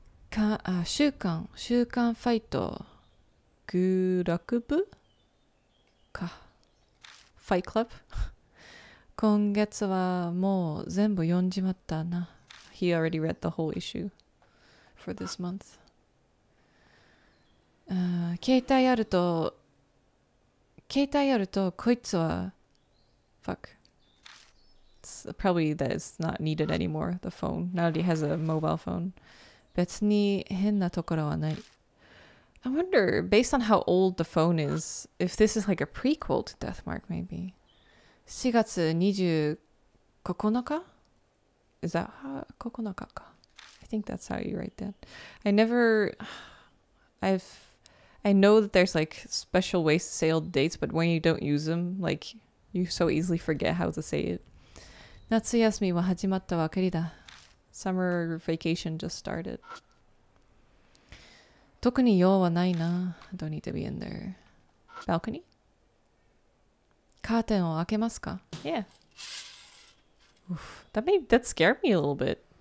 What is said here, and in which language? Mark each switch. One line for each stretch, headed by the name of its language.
Japanese: か、あ、週刊、週刊ファイト。グラクブ?か。ファイトクラブ? 今月はもう全部読んじまったな。
English: He already read the whole issue for this month.
Japanese: 携帯あると、携帯あるとこいつは、
English: fuck. Probably that is not needed anymore, the phone. Now that he has a mobile phone.
Japanese: 別に変なところはない。
English: I wonder, based on how old the phone is, if this is like a prequel to Death Mark, maybe.
Japanese: 4月29日?
English: Is that how?
Japanese: 9日か。
English: I think that's how you write that. I never... I know that there's like special ways to say old dates, but when you don't use them, like, you so easily forget how to say it.
Japanese: 夏休みは始まったばかりだ。
English: Summer vacation just started.
Japanese: 特に用はないな。
English: Don't need to be in there. Balcony?
Japanese: カーテンを開けますか?
English: Yeah. Oof. That scared me a little bit.